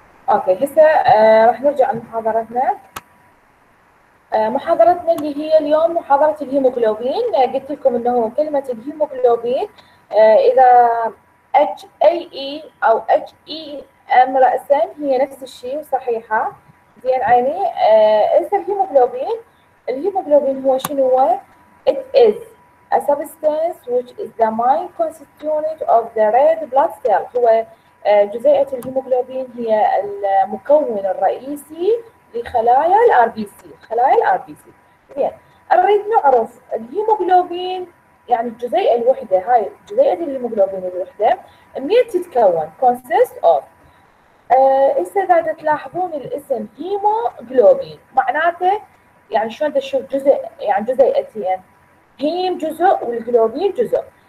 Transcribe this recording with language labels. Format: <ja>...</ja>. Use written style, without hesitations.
<ar>اوكي هسه راح نرجع لمحاضرتنا. محاضرتنا اللي هي اليوم محاضرة الهيموغلوبين. قلت لكم انه كلمة الهيموغلوبين اذا اتش اي اي او اتش اي ام راسا هي نفس الشيء وصحيحه زين عيني. انسى الهيموغلوبين. الهيموغلوبين هو شنو هو؟</ar> <en>It is a substance which is the main constituent of the red blood cell.</en> <ar>هو جزيئه الهيموغلوبين هي المكون الرئيسي لخلايا الار بي سي، خلايا الار بي سي. زين اريد نعرف الهيموغلوبين يعني الجزيئة الوحدة، هاي جزيئة الهيموغلوبين الوحدة منين تتكون؟</ar> <en>consist of</en> <ar>إذا قاعدة تلاحظون الاسم هيموغلوبين معناته يعني شلون تشوف جزء يعني جزيئتين، هيم جزء والجلوبين جزء.</ar>